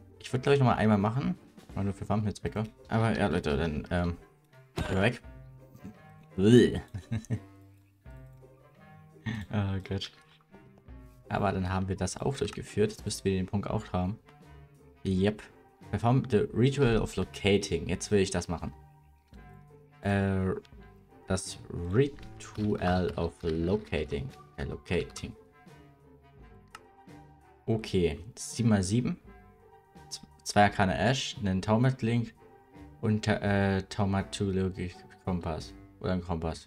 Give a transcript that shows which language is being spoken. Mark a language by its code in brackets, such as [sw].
[de] Ich würde glaube ich noch mal einmal machen. Mal nur für Wampenzwecke. Aber ja, Leute, dann weg. Oh Gott. Aber dann haben wir das auch durchgeführt. Jetzt müssten wir den Punkt auch haben. [en] Yep. Perform the Ritual of Locating. [de] Jetzt will ich das machen. Das Ritual of Locating. Locating. Okay. 7x7. Zwei Arcane Ash. Einen Taumatlink. Und Taumatologic Kompass. Oder ein Kompass.